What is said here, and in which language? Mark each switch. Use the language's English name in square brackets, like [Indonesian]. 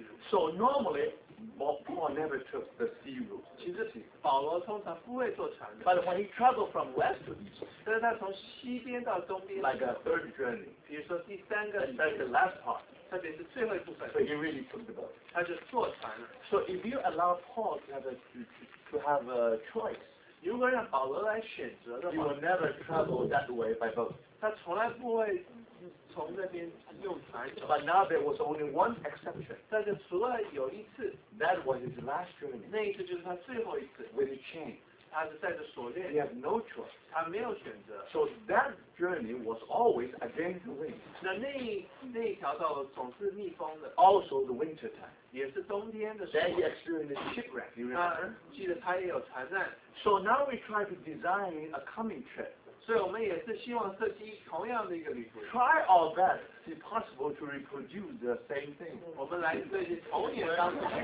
[English] So normally, Paul never took the sea route. [Chinese] 其实保罗通常不会坐船的。 [English] But when he traveled from west to east, [Chinese] 但是他从西边到东边。 [English] Like a third journey. [Chinese] 比如说第三个。 [English] And that's the last part. [Chinese] 特别是最后一部分。 [English] So he really took the boat. [Chinese] 他就坐船了。 [English] So if you allow Paul to have a choice, [Chinese] 如果让保罗来选择的话 [English] ，He will never travel that way by boat. [Chinese] 他从来不会。从那边用船走。 [English] But now there was only one exception. [Chinese] 但是除了有一次。 [English] That was his last journey. [Chinese] 那一次就是他最后一次。 [English] With a chain. [Chinese] 他是带着锁链。 [English] He had no choice. [Chinese] 他没有选择。 [English] So that journey was always against the wind. [Chinese] 那一条道总是逆风的。 [English] Also the winter time. [Chinese] 也是冬天的时候。 [English] Then he experienced shipwreck. You remember? [Chinese] 记得他也有船难。 [English] So now we try to design a coming trip. [Chinese] 所以我们也是希望设计同样的一个旅途。 [English] Try our best, see possible to reproduce the same thing. [Chinese] 我们来设计同一个当时。